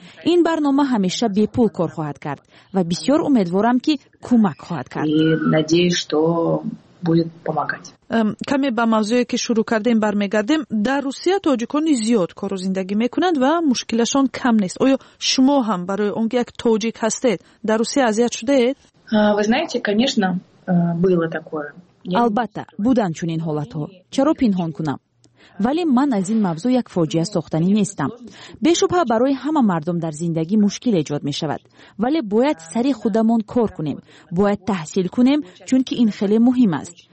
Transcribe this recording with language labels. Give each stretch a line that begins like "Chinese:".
Persian: این برنامه همیشه بی پول کار خواهد کرد و بسیار امیدوارم که کمک خواهد کرد. کمی به موضوعی که شروع کردیم برمیگردیم. در روسیه تاجیکان زیاد کار و زندگی میکنند و مشکلشان کم نیست. آیا شما هم برای اون یک تاجیک هستید در روسیه اذیت شدید؟
Russian: Вы знаете, конечно, было такое.
Tajik: Албатта, будан чунин ҳолатҳо. Чаро пинҳон кунам? Вале ман аз ин мавзӯъ як фоҷиа сохтани нестам. Бешубҳа барои ҳама мардум дар зиндагӣ мушкил эҷод мешавад, вале бояд сари худамон кор кунем, бояд таҳсил кунем, чунки ин хеле муҳим аст.